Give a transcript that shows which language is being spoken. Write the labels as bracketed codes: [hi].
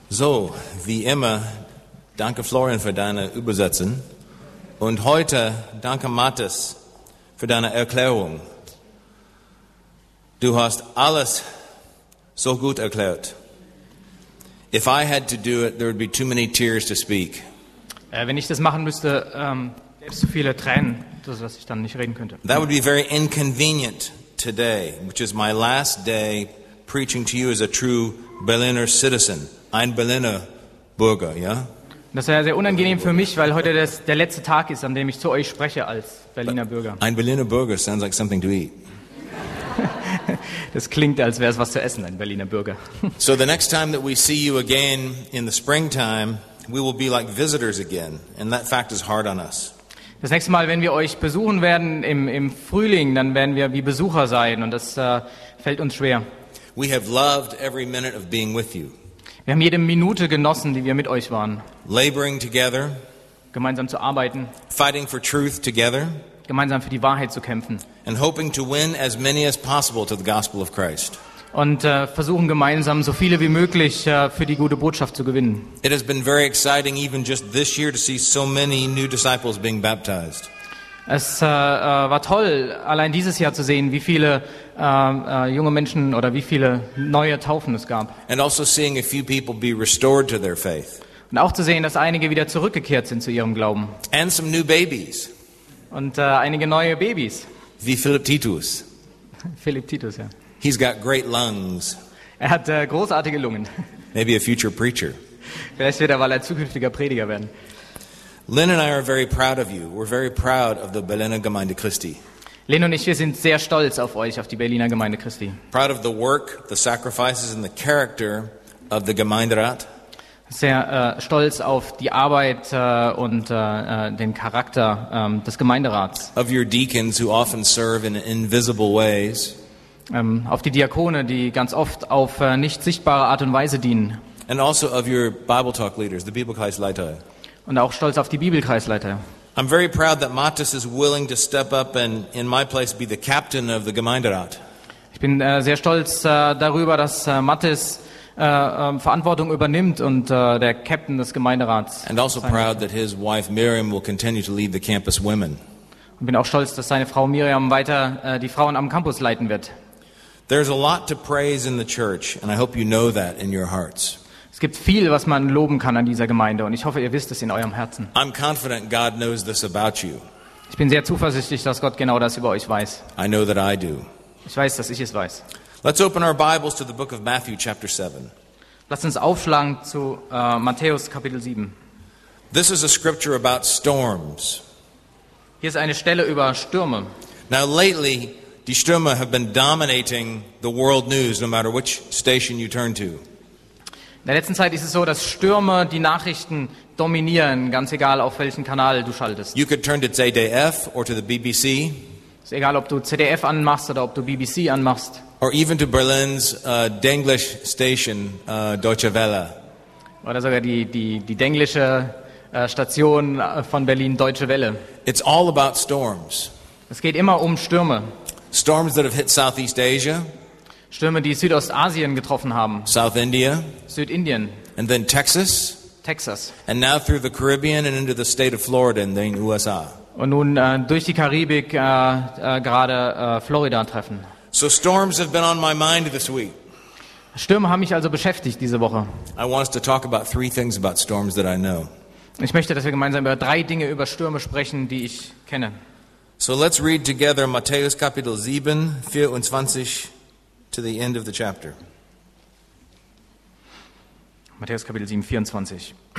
[de] So, wie immer, danke Florian für deine Übersetzung. Und heute danke Mathis für deine Erklärung. Du hast alles so gut erklärt. [en] If I had to do it, there would be too many tears to speak. [de] Wenn ich das machen müsste, gäbe es zu viele Tränen, sodass ich dann nicht reden könnte. [en] That would be very inconvenient today, which is my last day preaching to you as a true Berliner citizen. [de] Ein Berliner Bürger, ja? Das wäre sehr unangenehm für mich, weil heute der letzte Tag ist, an dem ich zu euch spreche als Berliner Bürger. Ein Berliner Bürger [en] sounds like something to eat. [de] Das klingt, als wäre es was zu essen, ein Berliner Bürger. [en] So the next time that we see you again in the springtime, we will be like visitors again, and that fact is hard on us. [de] Das nächste Mal, wenn wir euch besuchen werden im Frühling, dann werden wir wie Besucher sein, und das fällt uns schwer. [en] We have loved every minute of being with you. [de] Wir haben jede Minute genossen, die wir mit euch waren. [en] Laboring together. [de] Gemeinsam zu arbeiten. [en] Fighting for truth together. [de] Gemeinsam für die Wahrheit zu kämpfen. [en] And hoping to win as many as possible to the gospel of Christ. [de] Und versuchen gemeinsam so viele wie möglich für die gute Botschaft zu gewinnen. [en] It has been very exciting even just this year to see so many new disciples being baptized. [de] Es war toll, allein dieses Jahr zu sehen, wie viele junge Menschen oder wie viele neue Taufen es gab. [en] And also seeing a few people be restored to their faith. [de] Und auch zu sehen, dass einige wieder zurückgekehrt sind zu ihrem Glauben. [en] And some new babies. [de] Und einige neue Babys. Wie Philipp Titus. Philipp Titus, ja. [en] He's got great lungs. [de] Er hat großartige Lungen. [en] Maybe a future preacher. [de] Vielleicht wird er mal ein zukünftiger Prediger werden. [en] Lynn and I are very proud of you. We're very proud of the Berliner Gemeinde Christi. [de] Lynn und ich, wir sind sehr stolz auf euch, auf die Berliner Gemeinde Christi. [en] Proud of the work, the sacrifices and the character of the Gemeinderat. [de] Sehr stolz auf die Arbeit und den Charakter des Gemeinderats. [en] Of your deacons who often serve in invisible ways. [de] Auf die Diakone, die ganz oft auf nicht sichtbare Art und Weise dienen. [en] And also of your Bible Talk leaders, the Bibelkreisleiter. [de] Und auch stolz auf die Bibelkreisleiter. [en] I'm very proud that Mathis is willing to step up and in my place be the captain of the Gemeinderat. [de] Ich bin sehr stolz darüber, dass Mathis Verantwortung übernimmt und der Captain des Gemeinderats. [en] And also proud that his wife Miriam will continue to lead the campus women. [de] Und bin auch stolz, dass seine Frau Miriam weiter die Frauen am Campus leiten wird. [en] There's a lot to praise in the church, and I hope you know that in your hearts. [de] Es gibt viel, was man loben kann an dieser Gemeinde, und ich hoffe, ihr wisst es in eurem Herzen. [en] I'm confident God knows this about you. [de] Ich bin sehr zuversichtlich, dass Gott genau das über euch weiß. [en] I know that I do. [de] Ich weiß, dass ich es weiß. [en] Let's open our Bibles to the book of Matthew, chapter 7. [de] Lasst uns aufschlagen zu Matthäus Kapitel 7. [en] This is a scripture about storms. [de] Hier ist eine Stelle über Stürme. [en] Now lately, [de] die Stürme [en] have been dominating the world news, no matter which station you turn to. [de] In der letzten Zeit ist es so, dass Stürme die Nachrichten dominieren, ganz egal, auf welchen Kanal du schaltest. [en] You could turn to ZDF or to the BBC. [de] Ist egal, ob du ZDF anmachst oder ob du BBC anmachst. [en] Or even to Berlin's Denglish station, Deutsche Welle. [de] Oder sogar die Denglische Station von Berlin, Deutsche Welle. [en] It's all about storms. [de] Es geht immer um Stürme. [en] Storms that have hit Southeast Asia. [de] Stürme, die Südostasien getroffen haben. [en] South India. [de] Südindien. [en] And then Texas. [de] Texas. [en] And now through the Caribbean and into the state of Florida and then USA. [de] Und nun durch die Karibik gerade Florida treffen. [en] So storms have been on my mind this week. [de] Stürme haben mich also beschäftigt diese Woche. [en] I want us to talk about three things about storms that I know. [de] Ich möchte, dass wir gemeinsam über drei Dinge über Stürme sprechen, die ich kenne. [en] So let's read together [de] Matthäus Kapitel 7, [en] 24 to the end of the chapter. [de] Matthäus Kapitel 7, 24.